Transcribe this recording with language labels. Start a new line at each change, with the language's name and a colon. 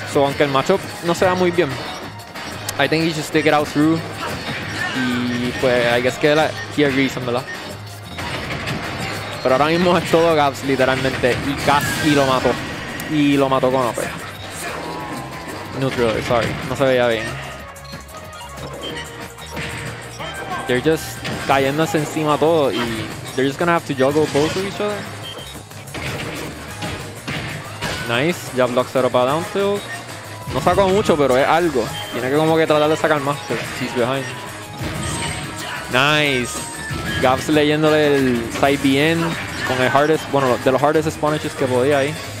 English: So,
Spanish: aunque el matchup no se da muy bien,
English: I think he should stick it out through.
Spanish: Y pues,
English: I guess
Spanish: que
English: he agrees,
Spanish: ¿verdad? Pero ahora mismo es todo Gabs, literalmente, y casi lo mató. Y lo mató con OP. Neutral, sorry, no se veía bien. They're just cayéndose encima todo y they're just gonna have to juggle both of each other. Nice, ya block 0 para down tilt. No sacó mucho, pero es algo. Tiene que como que tratar de sacar más, pero
English: he's behind.
Spanish: Nice. Gabs leyéndole el side BN con el hardest, bueno, de los hardest spawnages que podía ahí.